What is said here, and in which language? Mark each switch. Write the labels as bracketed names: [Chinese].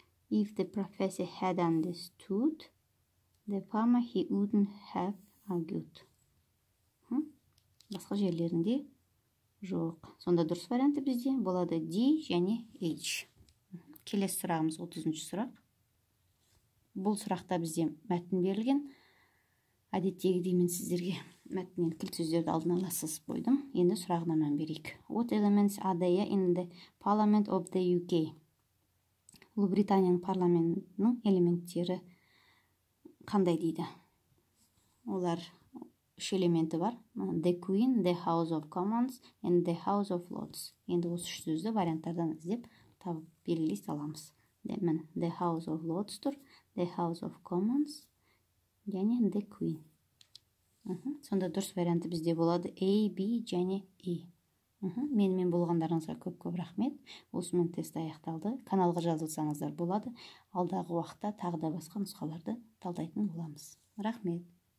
[English] If the professor had understood the farmer, he wouldn't have argued. [Kazakh] Басқа жерлерінде жоқ. Сонда дұрыс варианты бізде болады D және H. Келесі сұрағымыз 30-шы сұрақ. Бұл сұрақта бізде мәтін берілген. Әдеттегі деймін сіздерге мәтіннен кілт сөздерді алдын ала сызып қойдым. Енді сұрағына мән берейік. [English] What elements are there in the Parliament of the UK? [Kazakh] Ұлыбританияның парламентінің элементтері қандай дейді? Олар үш элементі бар. [English] The Queen, the House of Commons and the House of Lords. [Kazakh] Енді осы үш сөзді варианттардан іздеп табып белгілей саламыз. The House of Lords тұр, the House of Commons және the Queen. Сонда дұрыс варианты бізде болады A, B және E. Менімен болғандарыңызға көп-көп рахмет. Осымен тест аяқталды. Каналға жазылсаңыздар болады. Алдағы уақытта тағы да басқа нұсқаларды талдайтын боламыз. Рахмет.